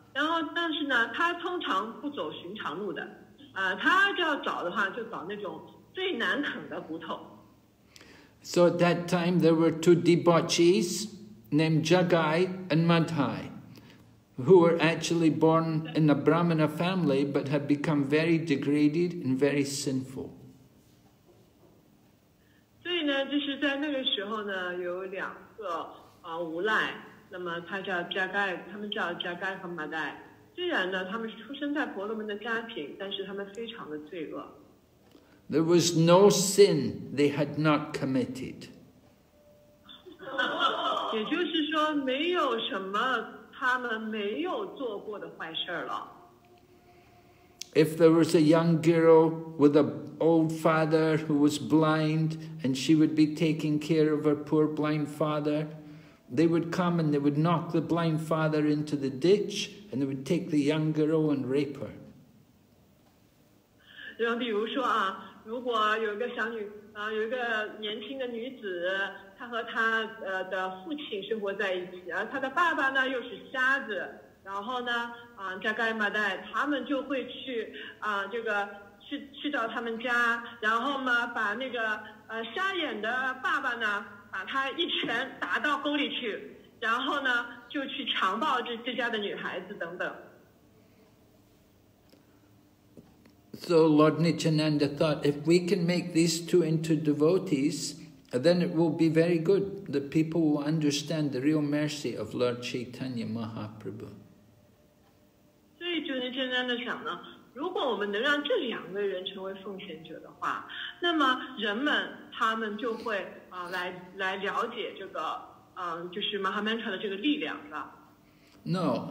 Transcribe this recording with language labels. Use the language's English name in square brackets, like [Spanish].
[Chinese] 然后但是呢，他通常不走寻常路的，他就要找的话，就找那种最难啃的骨头。 [English] So at that time there were two debauchees named Jagai and Madhai, who were actually born in a Brahmana family but had become very degraded and very sinful. [Chinese] So, 呢，就是在那个时候呢，有两个无赖，那么他叫 Jagai， 他们叫 Jagai 和 Madhai。虽然呢，他们是出生在婆罗门的家庭，但是他们非常的罪恶。 [English] There was no sin they had not committed. [Chinese] 也就是说，没有什么他们没有做过的坏事了。 [English] If there was a young girl with an old father who was blind, and she would be taking care of her poor blind father, they would come and they would knock the blind father into the ditch, and they would take the young girl and rape her. [Chinese] 比如说啊。如果有一个小女啊、有一个年轻的女子，她和她的父亲生活在一起，而她的爸爸呢又是瞎子，然后呢啊，加盖马代他们就会去啊、这个去到他们家，然后嘛把那个瞎眼的爸爸呢把他一拳打到沟里去，然后呢就去强暴这家的女孩子等等。 [English] So Lord Nityananda thought, if we can make these two into devotees, then it will be very good. The people will understand the real mercy of Lord Chaitanya Mahaprabhu. So Lord Nityananda thought, if we can make these two into devotees, then it will be very good. The people will understand